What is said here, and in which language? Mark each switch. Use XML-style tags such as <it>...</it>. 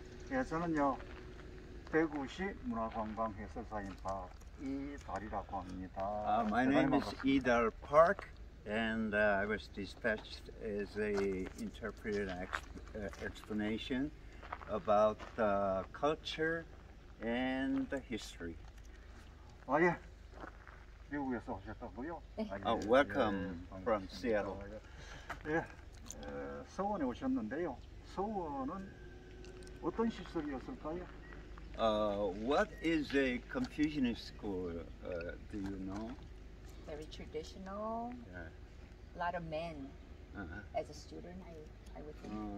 <ko>예, 저는요 대구시 문화관광해설사인파 이달이라고 합니다.</ko> <en>My name is 이달 Park. And I was dispatched as a interpreter explanation about the culture and the history. Oh, yeah.</en> <ko>미국에서 오셨다고요? 네.</ko> <en>Oh, welcome from Seattle.</en> <ko>예, 서원에 오셨는데요. 서원은 어떤 시설이었을까요?</ko> <en>What is a Confucianist school? Do you know? Very traditional. Yeah. A lot of men as a student, I would think.</en>